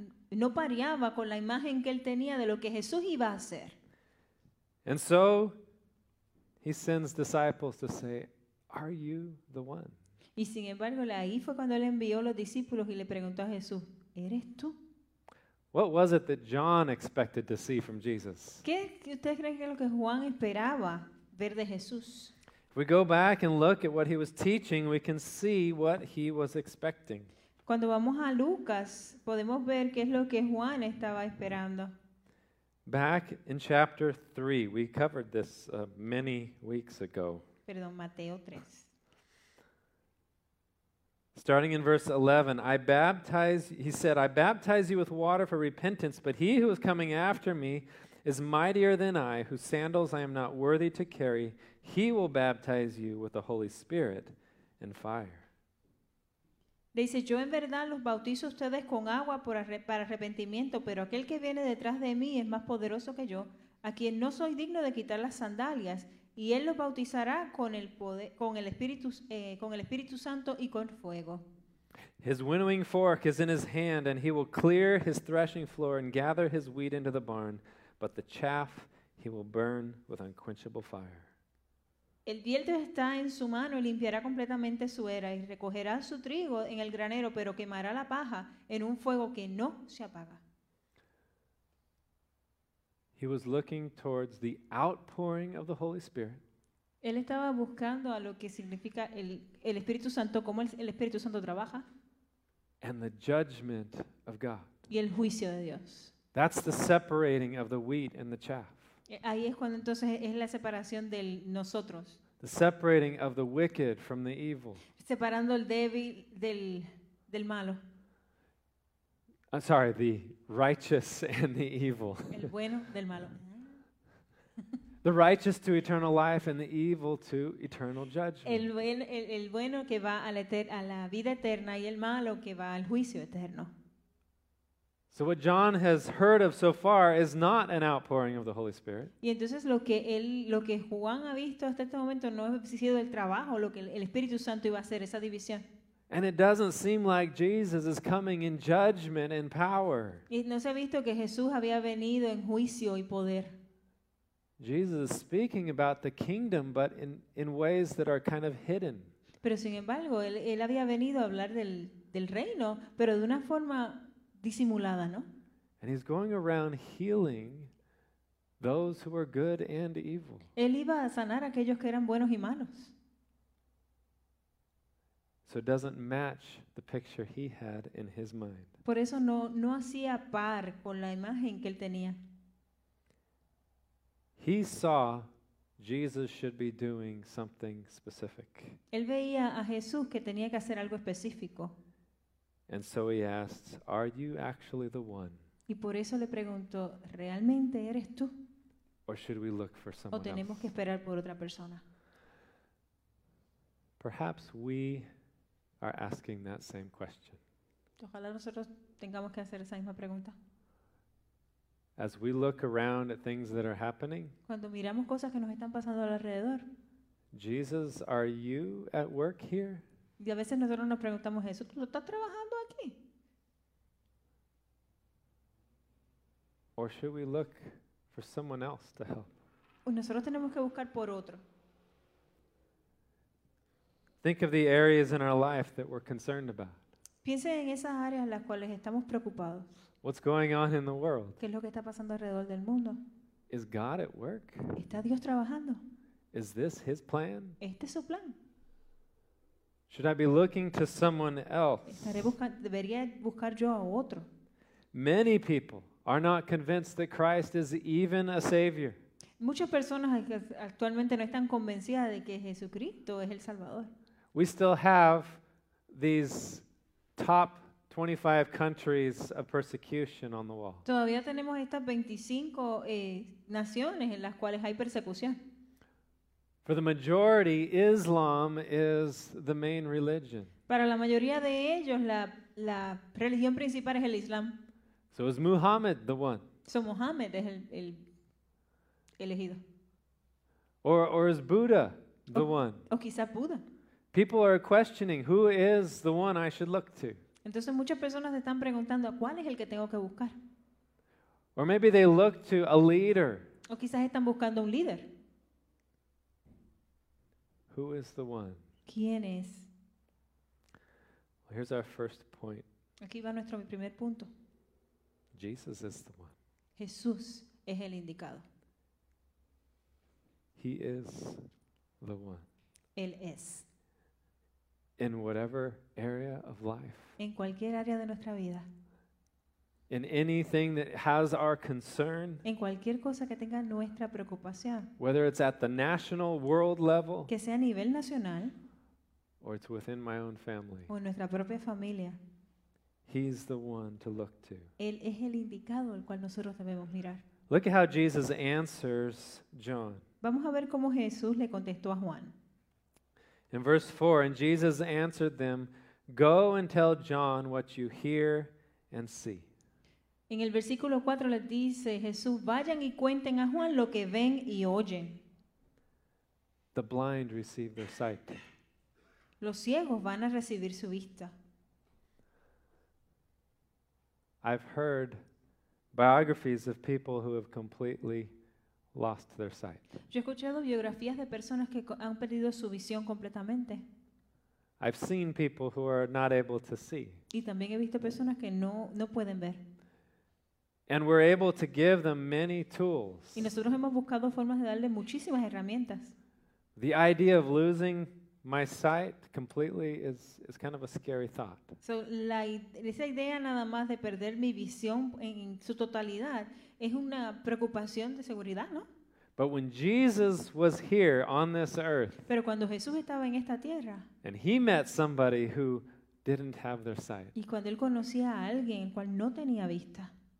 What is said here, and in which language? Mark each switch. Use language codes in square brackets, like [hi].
[es] Él no pareaba con la imagen que él tenía de lo que Jesús iba a hacer. [en] And so he sends disciples to say, "Are you the one?" [es] Y sin embargo, ahí fue cuando él envió los discípulos y le preguntó a Jesús, "¿Eres tú?" [en] What was it that John expected to see from Jesus? [es] ¿Qué usted cree que es lo que Juan esperaba ver de Jesús? [en] We go back and look at what he was teaching, we can see what he was expecting. [es] Cuando vamos a Lucas, podemos ver qué es lo que Juan estaba esperando. [en] Back in chapter 3, we covered this many weeks ago. [es] Perdón, Mateo 3. [en] Starting in verse 11, I baptize you with water for repentance, but he who is coming after me is mightier than I, whose sandals I am not worthy to carry. He will baptize you with the Holy Spirit and fire. [es] Le dice, yo en verdad los bautizo a ustedes con agua para arrepentimiento, pero aquel que viene detrás de mí es más poderoso que yo, a quien no soy digno de quitar las sandalias, y él los bautizará con el poder, con el Espíritu Santo y con fuego. [en] His winnowing fork is in his hand, and he will clear his threshing floor and gather his wheat into the barn, but the chaff he will burn with unquenchable fire. [es] El viento está en su mano y limpiará completamente su era, y recogerá su trigo en el granero, pero quemará la paja en un fuego que no se apaga. [en] He was looking towards the outpouring of the Holy Spirit. [es] Él estaba buscando a lo que significa el Espíritu Santo, cómo el Espíritu Santo trabaja. [en] And the judgment of God. [es] Y el juicio de Dios. [en] That's the separating of the wheat and the chaff. [es] Ahí es cuando entonces es la separación del nosotros. [en] The separating of the wicked from the evil. [es] Separando el débil del malo. [en] I'm sorry, the righteous and the evil. [es] El bueno del malo. [en] The righteous to eternal life and the evil to eternal judgment. [es] El bueno que va a la vida eterna y el malo que va al juicio eterno. [en] So what John has heard of so far is not an outpouring of the Holy Spirit. [es] Y entonces lo que Juan ha visto hasta este momento no ha sido el trabajo, lo que el Espíritu Santo iba a hacer, esa división. [en] And it doesn't seem like Jesus is coming in judgment and power. [es] Y no se ha visto que Jesús había venido en juicio y poder. [en] Jesus is speaking about the kingdom, but in ways that are kind of hidden. [es] Pero sin embargo, él había venido a hablar del reino, pero de una forma disimulada, ¿no? [en] And he's going around healing those who are good and evil. [es] Él iba a sanar a aquellos que eran buenos y malos. [en] So it doesn't match the picture he had in his mind. [es] Por eso no hacía par con la imagen que él tenía. [en] He saw Jesus should be doing something specific. [es] Él veía a Jesús que tenía que hacer algo específico. [en] And so he asked, "Are you actually the one?" [es] Y por eso le preguntó, ¿realmente eres tú? [en] Or should we look for someone else? [es] ¿O tenemos que esperar por otra persona? [en] Perhaps we are asking that same question. [es] Ojalá nosotros tengamos que hacer esa misma pregunta. [en] As we look around at things that are happening, [es] cuando miramos cosas que nos están pasando alrededor, [en] Jesus, are you at work here? [es] Y a veces nosotros nos preguntamos eso, ¿tú estás trabajando aquí? [en] Or should we look for someone else to help? [es] O nosotros tenemos que buscar por otro. [en] Think of the areas in our life that we're concerned about. [es] Piensen en esas áreas en las cuales estamos preocupados. [en] What's going on in the world? [es] ¿Qué es lo que está pasando alrededor del mundo? [en] Is God at work? [es] ¿Está Dios trabajando? [en] Is this his plan? [es] ¿Este es su plan? [en] Should I be looking to someone else? [es] Debería buscar yo a otro. [en] Many people are not convinced that Christ is even a savior. [es] Muchas personas actualmente no están convencidas de que Jesucristo es el Salvador. [en] We still have these top 25 countries of persecution on the wall. [es] Todavía tenemos estas 25 naciones en las cuales hay persecución. [en] For the majority, Islam is the main religion. [es] Para la mayoría de ellos, la religión principal es el Islam. [en] So is Muhammad the one? [es] So Muhammad es el elegido. [en] Or is Buddha the one? [es] O quizá Buda. [en] People are questioning who is the one I should look to. [es] Entonces muchas personas se están preguntando cuál es el que tengo que buscar. [en] Or maybe they look to a leader. [es] O quizás están buscando un líder. [en] Who is the one? [es] ¿Quién es? [en] Well, here's our first point. [es] Aquí va nuestro primer punto. [en] Jesus is the one. [es] Jesús es el indicado. [en] He is the one. [es] Él es. [en] In whatever area of life. [es] En cualquier área de nuestra vida. [en] in anything that has our concern, [es] en cualquier cosa que tenga nuestra preocupación, [en] whether it's at the national world level, [es] que sea a nivel nacional, [en] or it's within my own family, [es] o nuestra propia familia, [en] he's the one to look to. [es] Él es el indicado al cual nosotros debemos mirar. [en] Look at how Jesus answers John. [es] Vamos a ver cómo Jesús le contestó a Juan. [en] In verse 4, and Jesus answered them, "Go and tell John what you hear and see." [es] En el versículo 4 les dice Jesús, "Vayan y cuenten a Juan lo que ven y oyen." [en] The blind receive their sight. [es] Los ciegos van a recibir su vista. [en] I've heard biographies of people who have completely lost their sight. [es] Yo he escuchado biografías de personas que han perdido su visión completamente. [en] I've seen people who are not able to see. [es] Y también he visto personas que no pueden ver. [en] And we're able to give them many tools. [es] Y nosotros hemos buscado formas de darle muchísimas herramientas. [en] The idea of losing my sight completely is kind of a scary thought. [es] So la esa idea nada más de perder mi visión en su totalidad es una preocupación de seguridad, ¿no? [en] But when Jesus was here on this earth, [es] pero cuando Jesús estaba en esta tierra, [en] and he met somebody who didn't have their sight, [es] y cuando él conocía a alguien el cual no tenía vista,